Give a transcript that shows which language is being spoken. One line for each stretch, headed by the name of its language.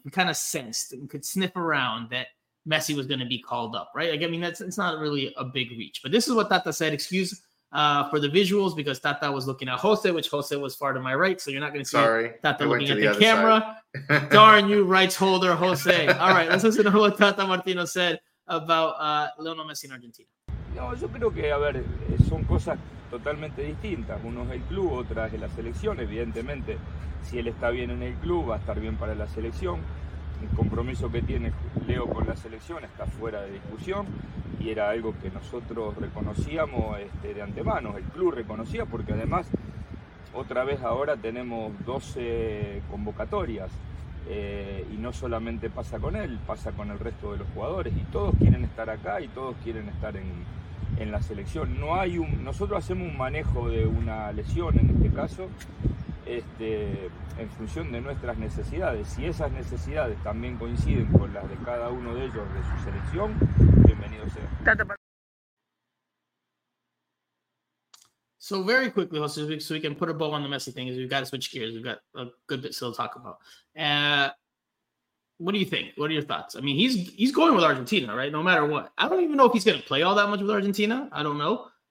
English: We kind of sensed and could sniff around that Messi was going to be called up, right? Like, I mean, it's not really a big reach. But this is what Tata said. Excuse for the visuals, because Tata was looking at Jose, which Jose was far to my right, so you're not going to see Tata looking at the camera. Darn you, rights holder, Jose. All right, let's listen to what Tata Martino said about Lionel Messi in Argentina.
Spanish: No, yo creo que, a ver, son cosas totalmente distintas. Uno es el club, otra es la selección. Evidentemente, si él está bien en el club, va a estar bien para la selección. El compromiso que tiene Leo con la selección está fuera de discusión y era algo que nosotros reconocíamos de antemano. El club reconocía porque además, otra vez ahora tenemos 12 convocatorias y no solamente pasa con él, pasa con el resto de los jugadores y todos quieren estar acá y todos quieren estar en la selección. No hay nosotros hacemos un manejo de una lesión en este caso en función de nuestras necesidades. Si esas necesidades también coinciden con las de cada uno de ellos de su selección, bienvenido sea.
English: So very quickly, Jose, so we can put a bow on the Messi thing, is we've got to switch gears. We've got a good bit still to talk about. What do you think? What are your thoughts? I mean, he's going with Argentina, right? No matter what. I don't even know if he's going to play all that much with Argentina. I don't know.